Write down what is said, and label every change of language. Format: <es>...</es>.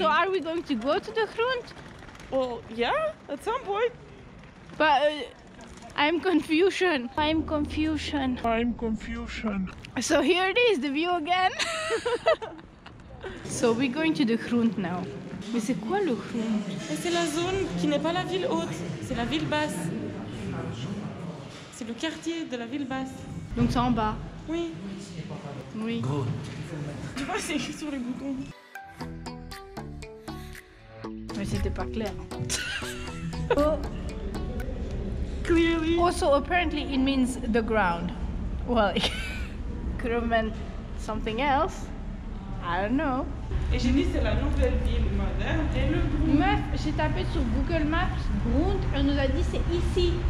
<en>So are we going to go to the Grund? Well, yeah, at some point. But I'm confusion. I'm confusion. I'm confusion. So here it is, the view again. So we're going to the Grund now.</en> <fr>Mais c'est quoi le Grund? Et c'est la zone qui n'est pas la ville haute, c'est la ville basse. C'est le quartier de la ville basse. Donc c'est en bas? Oui. Oui. Grund. Tu vois, c'est écrit sur les boutons. Mais c'était pas clair.</fr> <en>Oh. Clearly. Also, apparently, it means the ground. Well, it could have meant something else. I don't know.</en> <fr>Et j'ai dit c'est la nouvelle ville moderne et le Grund. Meuf, j'ai tapé sur Google Maps Grund et on nous a dit c'est ici.</fr>